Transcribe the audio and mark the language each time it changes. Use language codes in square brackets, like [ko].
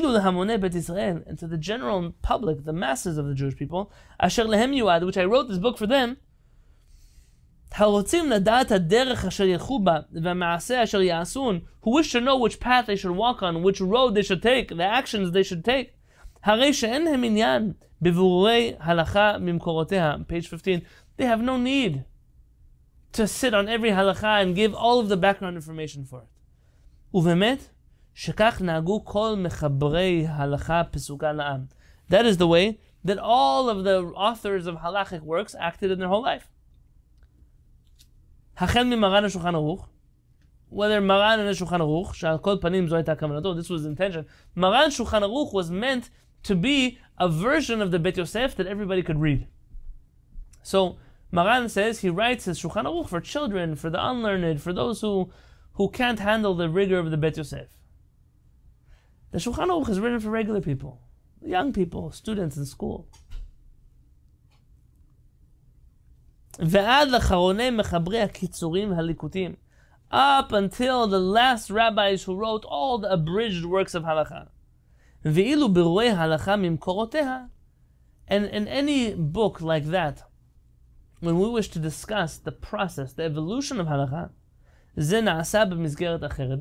[he] Ve'idu lehamonei Bet Yisrael, [en] and to the general public, the masses of the Jewish people, [he] asher lehem yuad, [en] which I wrote this book for them, [he] הרוצים לדעת הדרך אשר ילכו בה והמעשה אשר יעשון, [en] who wish to know which path they should walk on, which road they should take, the actions they should take, [he] הרי שאין הם עניין בבורי הלכה ממקורותיה. [en] Page 15. They have no need to sit on every הלכה and give all of the background information for it. [he] ובאמת, שכך נהגו כל מחברי הלכה פסוקה לעם. [en] That is the way that all of the authors of halachic works acted in their whole life. [he] החל ממרן השולחן ערוך, [en] whether מרן and השולחן ערוך, [he] שעל כל פנים זו הייתה כוונתו, [en] this was intention, מרן שולחן ערוך was meant to be a version of the Bet Yosef that everybody could read. So, מרן says, he writes his שולחן ערוך for children, for the unlearned, for those who can't handle the rigor of the Bet Yosef. The שולחן ערוך is written for regular people, young people, students in school. [he] ועד לאחרוני מחברי הקיצורים הליקוטים, [en] up until the last rabbis who wrote all the abridged works of halacha. [he] ואילו בירורי הלכה ממקורותיה, [en] and in any book like that, when we wish to discuss the process, the evolution of halacha, [he] זה נעשה במסגרת אחרת.